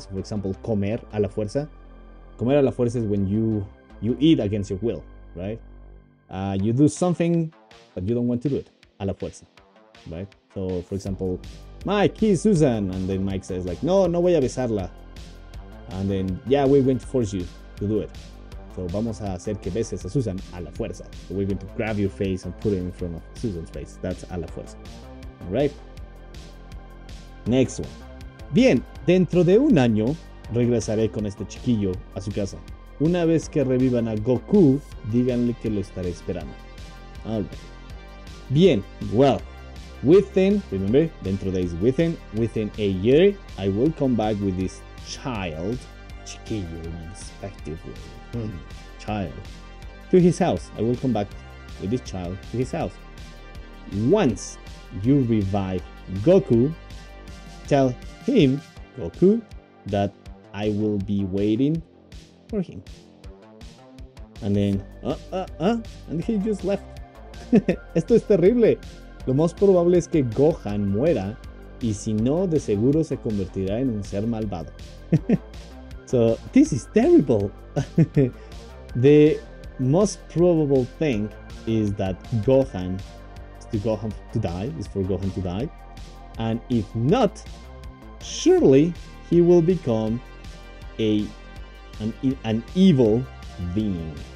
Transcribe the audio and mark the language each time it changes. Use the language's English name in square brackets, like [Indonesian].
[English] So for example, comer a la fuerza. [Spanish] Comer a la fuerza [English] is when you eat against your will, right? You do something, but you don't want to do it. [Spanish] A la fuerza, [English] right? So, for example, Mike, he's Susan. And then Mike says, like, [Spanish] no, no voy a besarla. [English] And then, yeah, we're going to force you to do it. [Spanish] So, vamos a hacer que beses a Susan a la fuerza. [English] So we're going to grab your face and put it in front of Susan's face. That's [Spanish] a la fuerza, [English] all right? Next one. [Spanish] Bien, dentro de un año, regresaré con este chiquillo a su casa. Una vez que revivan a Goku, díganle que lo estaré esperando. [English] Alright. Bien, well, within, remember, dentro de is within a year, I will come back with this child, chiquillo, respectively, child, to his house. I will come back with this child to his house. Once you revive Goku, tell him, Goku, that I will be waiting for him. And then, and he just left. [Spanish] Esto es terrible. Lo más probable es que Gohan muera, y si no, de seguro se convertirá en un ser malvado. [English] So, this is terrible. The most probable thing is that Gohan, is for Gohan to die. And if not, surely he will become an evil being.